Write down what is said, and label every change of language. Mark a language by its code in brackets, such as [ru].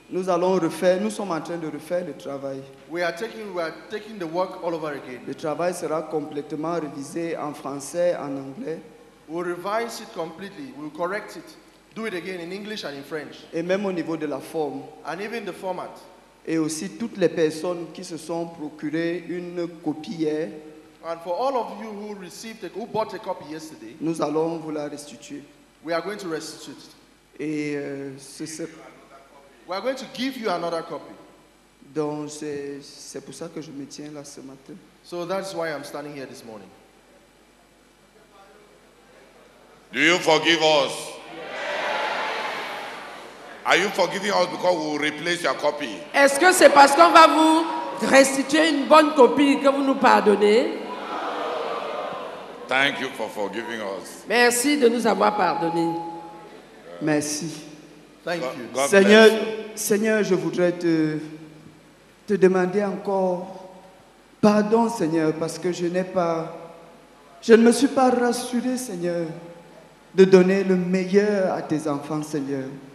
[fr] Nous sommes en train de refaire le travail. [en] We are taking the work all over again. [fr] Le travail sera complètement révisé en français, en anglais. [en] We'll revise it completely. We'll correct it. Do it again in English and in French. [fr] Et même au niveau de la forme. [en] And even the format. [fr] Et aussi toutes les personnes qui se sont procurées une copie. [en] And for all of you who bought a copy yesterday, [fr] nous allons vous la restituer. [en] We are going to restitute it. [fr] Et ce [en] We are going to give you another copy. [fr] Donc c'est pour ça que je me tiens là ce matin. [en] So that's why I'm standing here this morning. Do you forgive us? Yes. Are you forgiving us because we will replace your copy? [fr] Est-ce que c'est parce qu'on va vous restituer une bonne copie que vous nous pardonnez? [en] Thank you for forgiving us. [fr] Merci de nous avoir pardonné. Merci. [en] Thank you. [fr] Seigneur, je voudrais te demander encore pardon, Seigneur, parce que je ne me suis pas rassuré, Seigneur, de donner le meilleur à tes enfants, Seigneur.